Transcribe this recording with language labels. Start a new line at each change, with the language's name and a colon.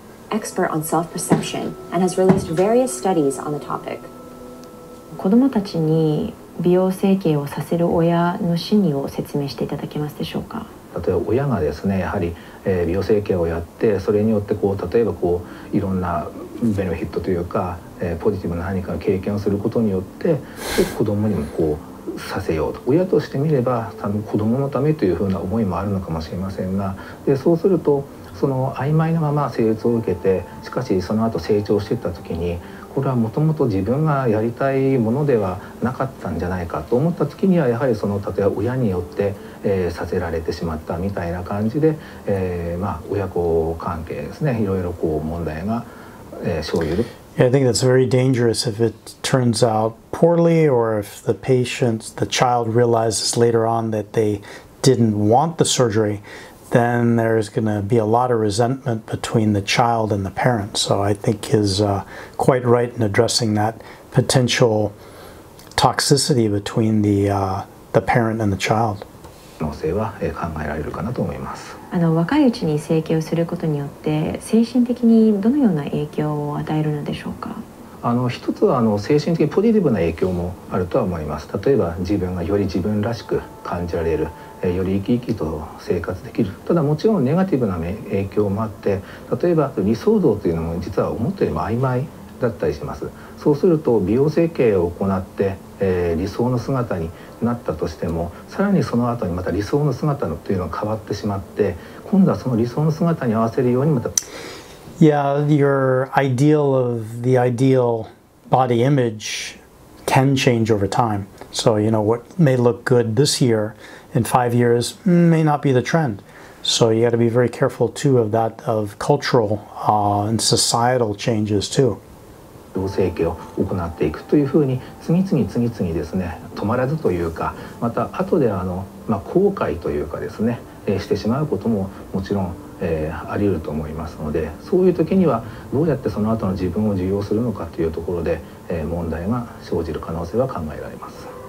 English: Expert on self-perception and has released various studies on the topic.
Japanese: 子供たちに美容整形をさせる親の心理を説明していただけますでしょうか。例えば親がですね、やはり美容整形をやって、それによってこう例えばこういろんなベネフィットというか、ポジティブな何かの経験をすることによって、子供にもこうさせようと、親としてみれば多分子供のためというふうな思いもあるのかもしれませんが、でそうするとその曖昧なまま手術を受けて、しかしその後成長していった時に、これはもともと自分がやりたいものではなかったんじゃないかと思った時には、やはりその例えば親によって、させられてしまったみたいな感じで、まあ親子関係ですね、いろいろこう問題が、生じる。
English: Yeah, I think that's very dangerous if it turns out poorly or if the patient, the child realizes later on that they didn't want the surgery, then there's going to be a lot of resentment between the child and the parent. So I think he's quite right in addressing that potential toxicity between the parent and the child.
Japanese: 可能性は考えられるかなと思います。若いうちに整形をすることによって精神的にどのような影響を与えるのでしょうか。一つは精神的にポジティブな影響もあるとは思います。例えば自分がより自分らしく感じられる、より生き生きと生活できる。ただもちろんネガティブな影響もあって、例えば理想像というのも実は思ったよりも曖昧だったりします。そうすると美容整形を行って、理想の姿になったとしても、さらにその後にまた理想の姿のというのが変わってしまって、今度はその理想の姿に合わせるようにまた
English: Yeah, your ideal of the ideal body image can change over time. So you know what may look good this yearIn 5 years, may not be the trend. So you got to be very careful too of that, of cultural and societal changes too.
Japanese: 美容整形を行っていくというふうに次々ですね、止まらずというか、また後で後悔というかですね、してしまうことももちろんあり得ると思いますので、そういう時にはどうやってその後の自分を受容するのかというところで、問題が生じる可能性は考えられます。